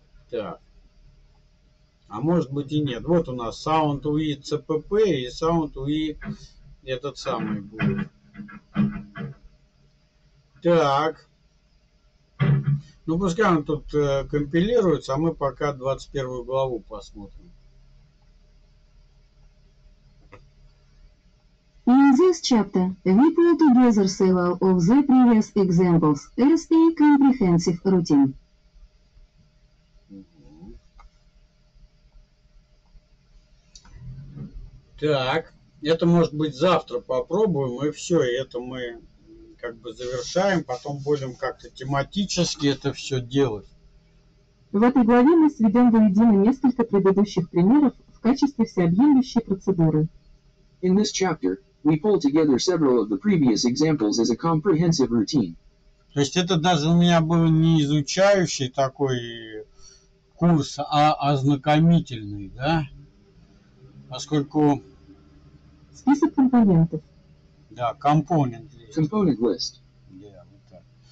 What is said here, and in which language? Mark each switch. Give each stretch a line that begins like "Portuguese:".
Russian: Так. А может быть и нет. Вот у нас Sound UI CPP и Sound UI этот самый будет. Так. Ну, пускай он тут компилируется, а мы пока 21 главу посмотрим.
English: In this chapter, we pull together several of the previous examples as a comprehensive routine.
Russian: Так, это может быть завтра попробуем, и все, и это мы как бы завершаем, потом будем как-то тематически это все делать. В этой главе мы сведем воедино несколько предыдущих примеров в качестве всеобъемлющей процедуры.
English: In this chapter, we pull together several of the previous examples as a comprehensive routine.
Russian: То есть это даже у меня был не изучающий такой курс, а ознакомительный, да? Поскольку... Список компонентов. Да, компонент лист. Компонент лист. Да, вот так.